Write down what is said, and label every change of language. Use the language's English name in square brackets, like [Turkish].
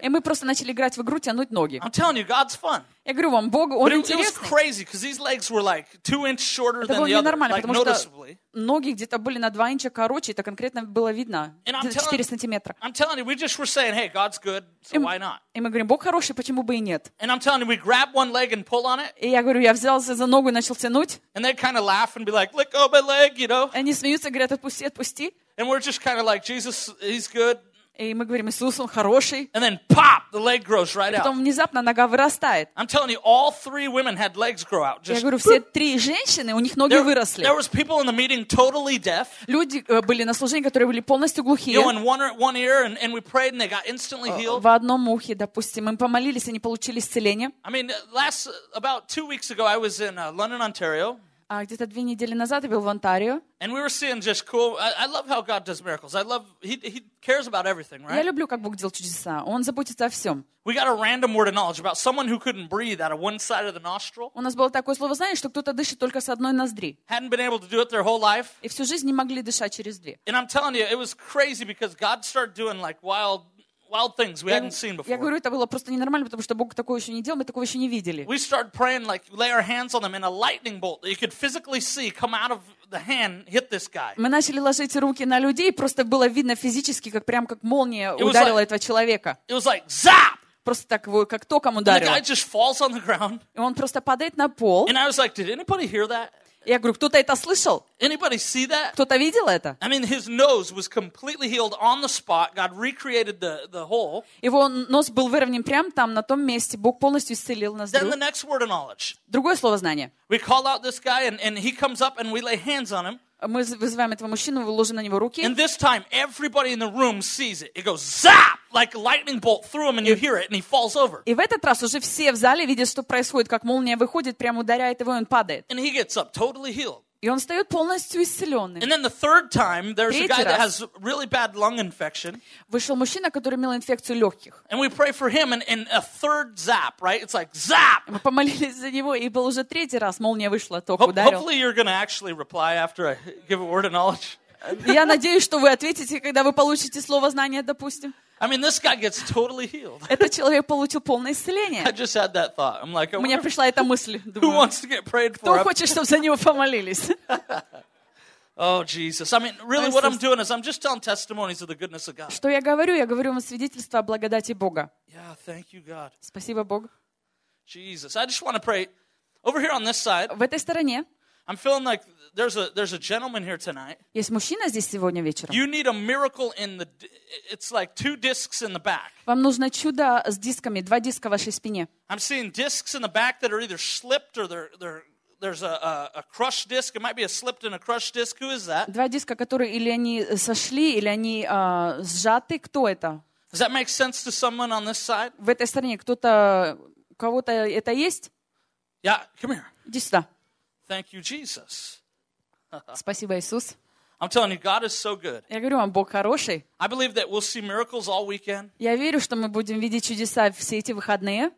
[Russian] И мы просто начали играть в игру тянуть ноги. [English] I'm telling you, God's fun. [Russian] Я говорю вам, Бог, он интересный. [English] It was crazy because these legs were like 2 inches shorter than the other. [Russian] Это было нормально, потому что ноги где-то были на 2 инча короче, это конкретно было видно, 4 сантиметра. [English] I'm telling you, we just were saying, hey, God's good, so why not? [Russian] И мы говорим, Бог хороший, почему бы и нет? [English] And I'm telling you, we grab one leg and pull on it. [Russian] И я говорю, я взялся за ногу и начал тянуть. [English] And they kind of laugh and be like, let go of my leg, you know? [Russian] И они смеются, говорят, отпусти, отпусти. [English] And we're just kind of like, Jesus, He's good. [Russian] И мы говорим, Иисус, Он хороший. [English] And then, pop, the leg grows right out. [Russian] И потом внезапно нога вырастает. [English] I'm telling you, all three women had legs grow out. [Russian] Я говорю, все три женщины, у них ноги выросли. [English] There was people in the meeting totally deaf. [Russian] Люди были на служении, которые были полностью глухие. [English] You know, in one ear, and we prayed, and they got instantly healed. [Russian] В одном ухе, допустим, мы помолились, они получили исцеление. [English] I mean, about 2 weeks ago, I was in London, Ontario. [Russian] Где-то 2 недели назад я был в Онтарио. [English] And we were seeing just cool. I love how God does miracles. I love He cares about everything, right? [Russian] Я люблю, как Бог делает чудеса. Он заботится о всем. [English] We got a random word of knowledge about someone who couldn't breathe out of one side of the nostril. [Russian] У нас было такое слово знания, что кто-то дышит только с одной ноздри. [English] Hadn't been able to do it their whole life. [Russian] И всю жизнь не могли дышать через две. [English] And I'm telling you, it was crazy because God started doing like wild. wild things we hadn't seen before. [Russian] Я говорю, это было просто ненормально, потому что Бог такого еще не делал, мы такого еще не видели. [English] We started praying like lay our hands on them in a lightning bolt that you could physically see come out of the hand hit this guy. [Russian] Мы начали ложить руки на людей, просто было видно физически, как прям как молния ударила этого человека. [English] It was like zap. [Russian] Просто так его как током ударило. [English] And the guy just falls on the ground. [Russian] И он просто падает на пол. [English] And I was like, did anybody hear that? [Russian] Я говорю, кто-то это слышал? [English] Anybody see that? [Russian] Кто-то видел это? [English] I mean, his nose was completely healed on the spot. God recreated the hole. [Russian] Его нос был выровнен прямо там, на том месте. Бог полностью исцелил нас. [English] Then the next word of knowledge. [Russian] Другое слово знания. [English] We call out this guy, and he comes up, and we lay hands on him. [Russian] Мы вызываем этого мужчину, мы ложим на него руки. [English] And this time, everybody in the room sees it. It goes zap, like a lightning bolt through him, and you hear it, and he falls over. [Russian] И в этот раз уже все в зале видят, что происходит, как молния выходит, прямо ударяет его, и он падает. [English] And he gets up, totally healed. [Russian] И он встает полностью исцеленный. [English] And then the third time, there's a guy that has really bad lung infection. [Russian] Вышел мужчина, который имел инфекцию легких. [English] And we pray for him, and a third zap, right? It's like zap. [Russian] Мы помолились за него, и был уже третий раз молния вышла, ток ударил. [English] Hopefully you're going to actually reply after I give a word of knowledge. [Russian] Я надеюсь, что вы ответите, когда вы получите слово знания, допустим. [English] I mean, this guy gets totally healed. [Russian] Этот человек получил полное исцеление. [English] I just had that thought. I'm like, [Russian] мне пришла эта мысль. Думаю, [English] who wants to get prayed for? [Russian] Кто хочет, чтобы за него помолились? [English] Oh, Jesus. I mean, really, what I'm doing is I'm just telling testimonies of the goodness of God. [Russian] Что я говорю? Я говорю вам свидетельство о благодати Бога. [English] Yeah, thank you, God. [Russian] Спасибо, Бог. [English] Jesus, I just want to pray over here on this side. [Russian] В этой стороне. [English] I'm feeling like there's a gentleman here tonight. [Russian] Есть мужчина здесь сегодня вечером. [English] You need a miracle in the it's like two discs in the back. [Russian] Вам нужно чудо с дисками, два диска в вашей спине. [English] I'm seeing discs in the back that are either slipped or there's a crushed disc. It might be a slipped and a crushed disc. Who is that? [Russian] Два диска, которые или они сошли, или они сжаты. Кто это? [English] Does that make sense to someone on this side? [Russian] В этой стороне кто-то кого-то это есть? [English] Yeah, come here. [Russian] Иди сюда. [English] Thank you, Jesus. [Russian] Спасибо, Иисус. [English] I'm telling you, God is so good. [Russian] Я говорю вам, Бог хороший. [English] I believe that we'll see miracles all weekend. [Russian] Я верю, что мы будем видеть чудеса все эти выходные.